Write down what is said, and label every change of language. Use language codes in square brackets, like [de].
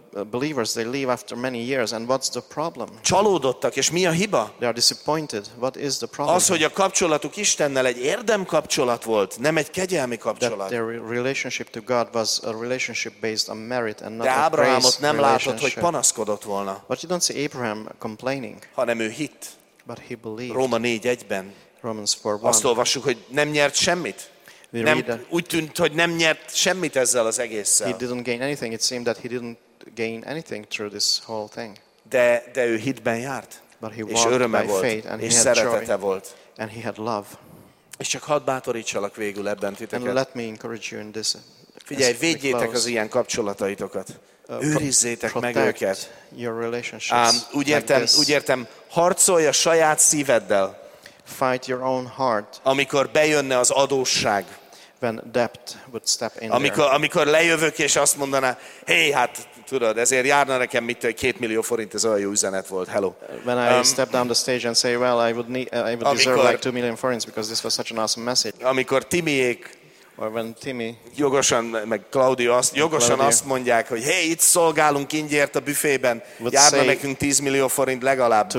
[en] Believers, they leave after many years, and what's the problem? [hu] Csalódottak, és mi a hiba? [en] They are disappointed. What is the problem? [hu] Az, hogy a kapcsolatuk Istennel egy érdemkapcsolat volt, nem egy kegyelmi kapcsolat. [en] That their relationship to God was a relationship based on merit and not [hu] de a Abrahamot [en] grace [hu] nem látott, hogy panaszkodott volna. [en] But you don't see Abraham complaining. [hu] Hanem ő hitt. [en] But he believed. [hu] Róma 4:1-ben. [en] Romans 4:1. [hu] Azt olvassuk, hogy nem nyert semmit. Nem, úgy tűnt, hogy nem nyert semmit ezzel az egésszel. [en] He didn't gain anything. It seemed that he didn't gain anything through this whole thing. [hu] De ő hitben járt, és öröme volt, és szeretete volt, [en] and he had love. [hu] És csak hadd bátorítsalak végül ebben titeket. [en] And let me encourage you in this. [hu] Figyelj, védjétek az ilyen kapcsolataitokat. Őrizzétek meg őket. [en] Your relationships. [hu] Úgy értem, harcolj a saját szíveddel. [en] Fight your own heart. [hu] Amikor bejönne az adósság. [en] When debt would step in. [hu] Amikor lejövök és azt mondaná, hey, hát tudod, ezért járna nekem mit 2 millió forint, ez olyan jó üzenet volt. [en] Hello. When I step down the stage and say, well, I would deserve like 2 million forints because this was such an awesome message. [hu] Amikor Timiék, [en] or when Timi, [hu] jogosan meg Claudio azt, jogosan Claudia, azt mondják, hogy hey, itt szolgálunk ingyért a büfében, járna nekünk 10 millió forint legalább.